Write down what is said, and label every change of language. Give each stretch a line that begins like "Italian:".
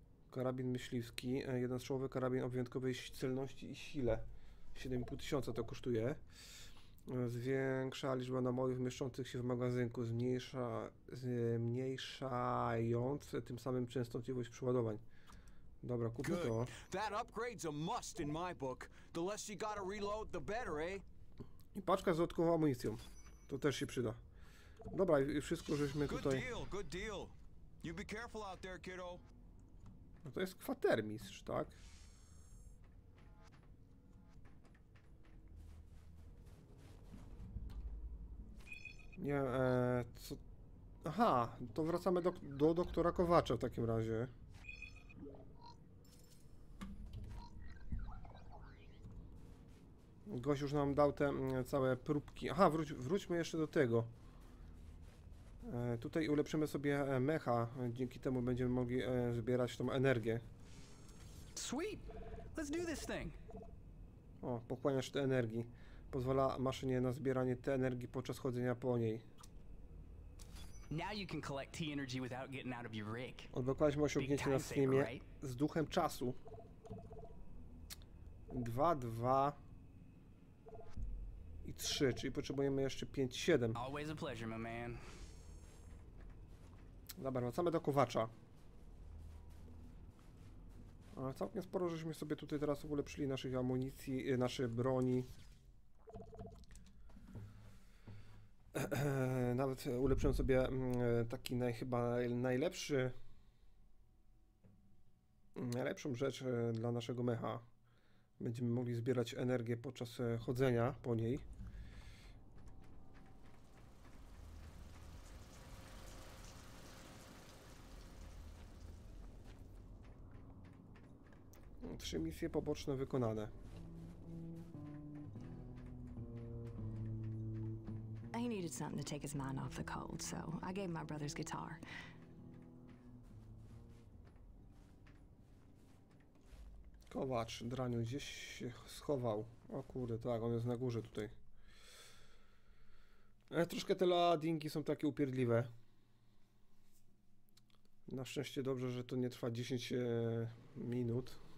Polish: Karabin myśliwski, jednostrzałowy karabin o wyjątkowej celności i sile. 7500 to kosztuje. Zwiększa liczba nabojów mieszczących się w magazynku, zmniejszając tym samym częstotliwość przeładowań. Dobra, kupię to.
English: That upgrade's a must in my book. The less you gotta reload, the better, eh?
Polish: I paczka z dodatkową amunicją. To też się przyda. Dobra, i wszystko żeśmy tutaj.
English: Good deal. You be careful out there, kiddo.
Polish: No to jest kwatermistrz, tak? Nie, co? Aha, to wracamy do doktora Kowacza w takim razie. Gość już nam dał te całe próbki. Aha, wróćmy jeszcze do tego. Tutaj ulepszymy sobie mecha. Dzięki temu będziemy mogli zbierać tą energię.
English: Sweet! Let's do this thing.
Polish: O, pochłaniacz tej energii. Pozwala maszynie na zbieranie tej energii podczas chodzenia po niej.
English: Now you can collect T-energy without getting out of your rig.
Polish: Odblokowaliśmy osiągnięcie na streamie z duchem czasu. 2, 2 i 3, czyli potrzebujemy jeszcze 5, 7.
English: Always a pleasure, my man.
Polish: Dobra, wracamy do Kowacza. Ale całkiem sporo żeśmy sobie tutaj teraz ulepszyli naszych amunicji, naszej broni. Nawet ulepszyłem sobie taki chyba najlepszy, najlepszą rzecz dla naszego mecha. Będziemy mogli zbierać energię podczas chodzenia po niej. Trzy misje poboczne wykonane.
English: He needed something to take his mind off the cold, so I gave my brother's guitar.
Polish: Kowacz, draniu, gdzieś się schował. O kurde, tak, on jest na górze tutaj. Troszkę te ladinki są takie upierdliwe. Na szczęście dobrze, że to nie trwa 10 minut.